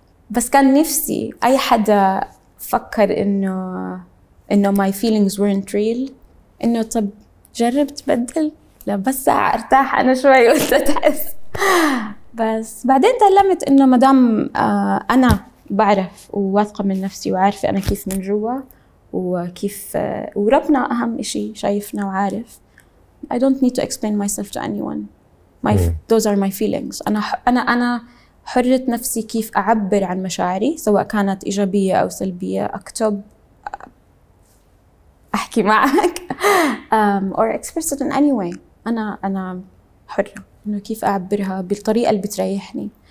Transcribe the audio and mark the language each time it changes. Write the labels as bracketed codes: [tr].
[ar] بس كان نفسي اي حدا فكر انه my feelings weren't real، انه طب جرب تبدل، لا بس ارتاح انا شوي وانت تحس. بس بعدين تعلمت انه مدام انا بعرف وواثقة من نفسي وعارفة انا كيف من جوا وكيف وربنا أهم إشي شايفنا وعارف. [en] I don't need to explain myself to anyone. Those are my feelings. [ar] أنا حرة نفسي كيف أعبر عن مشاعري، سواء كانت إيجابية أو سلبية. [en] أكتب، أحكي معك، or express it in any way. [ar] أنا حرة إنه كيف أعبرها بالطريقة اللي بتريحني.